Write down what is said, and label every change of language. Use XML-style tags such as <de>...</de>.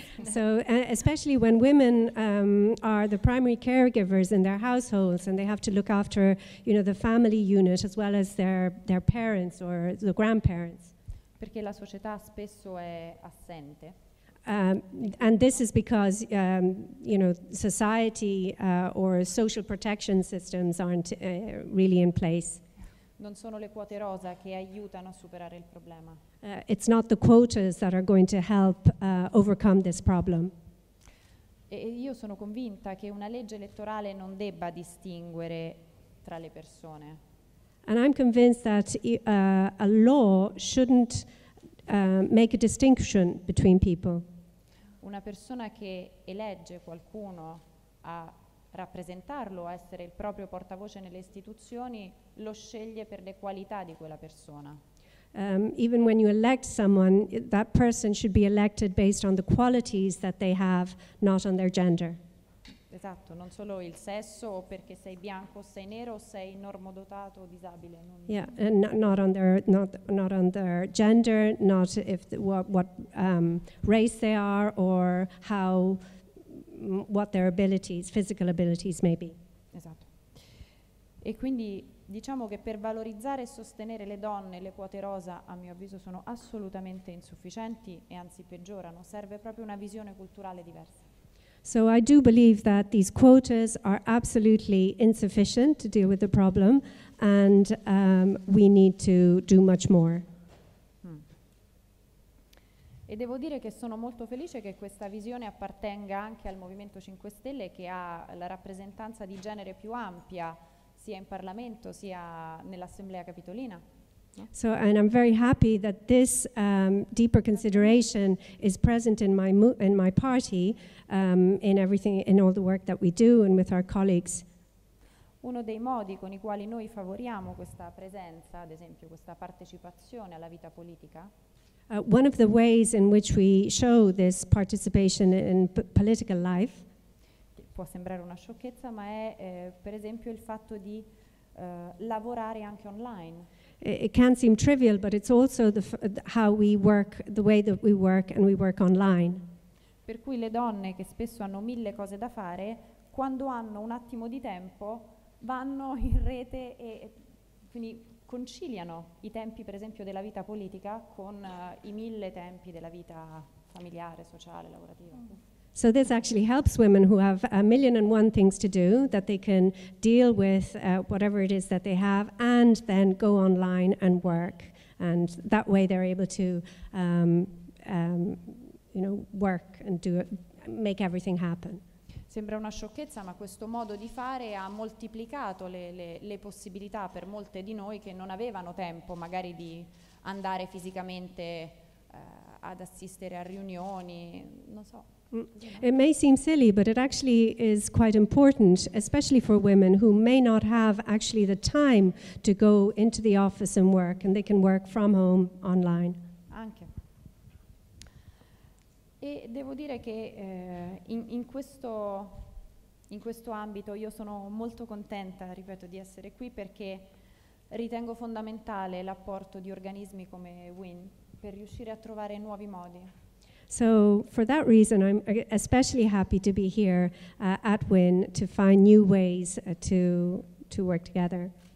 <en>So, especially when women are the primary caregivers in their households and they have to look after, you know, the family unit as well as their parents or the grandparents.</en> <it>Perché la società spesso è assente.</it> <en>And this is because, you know, society or social protection systems aren't really in place.</en> <it>Non sono le quote rosa che aiutano a superare il problema.</it> <en>It's not the quotas that are going to help overcome this problem.</en> <it>E io sono convinta che una legge elettorale non debba distinguere tra le persone.</it> <en>And I'm convinced that a law shouldn't make a distinction between people.</en> <it>Una persona che elegge qualcuno a rappresentarlo, a essere il proprio portavoce nelle istituzioni, lo sceglie per le qualità di quella persona.</it> <en>Even when you elect someone, that person should be elected based on the qualities that they have, not on their gender.</en> <it>Esatto, non solo il sesso, o perché sei bianco, o sei nero, o sei normodotato, o disabile. Non</it> <en>yeah, not on their gender, not if what race they are, or how what their abilities, physical abilities may be.</en> <it>Esatto. E quindi diciamo che per valorizzare e sostenere le donne, le quote rosa, a mio avviso, sono assolutamente insufficienti e anzi peggiorano. Serve proprio una visione culturale diversa.</it> <en>So I do believe that these quotas are absolutely insufficient to deal with the problem and we need to do much more.</en> <it>E devo dire che sono molto felice che questa visione appartenga anche al Movimento 5 Stelle, che ha la rappresentanza di genere più ampia sia in Parlamento sia nell'Assemblea Capitolina.</it> <en>So, and I'm very happy that this deeper consideration is present in my party, in everything, in all the work that we do and with our colleagues.</en> <it>Uno dei modi con i quali noi favoriamo questa presenza, ad esempio questa partecipazione alla vita politica,</it> <en>One of the ways in which we show this participation in political life</en> <it>può sembrare una sciocchezza, ma è per esempio il fatto di lavorare anche online.</it> <en>It can seem trivial, but it's also how we work, the way that we work, and we work online.</en> <it>Per cui le donne, che spesso hanno mille cose da fare, quando hanno un attimo di tempo vanno in rete e quindi conciliano i tempi, per esempio, della vita politica con i mille tempi della vita familiare, sociale, lavorativa.</it> <en>So this actually helps women who have a million and one things to do, that they can deal with whatever it is that they have and then go online and work. And that way they're able to you know, work and do it, make everything happen.</en> <it>Sembra una sciocchezza, ma questo modo di fare ha moltiplicato le possibilità per molte di noi che non avevano tempo magari di andare fisicamente ad assistere a riunioni, non so.</it> <en>It may seem silly, but it actually is quite important, especially for women who may not have actually the time to go into the office and work, and they can work from home online.</en> <it>Anche. E devo dire che in questo ambito io sono molto contenta, ripeto, di essere qui perché ritengo fondamentale l'apporto di organismi come WIN per riuscire a trovare nuovi modi.</it> <en>So for that reason, I'm especially happy to be here at WIN to find new ways to work together.</en>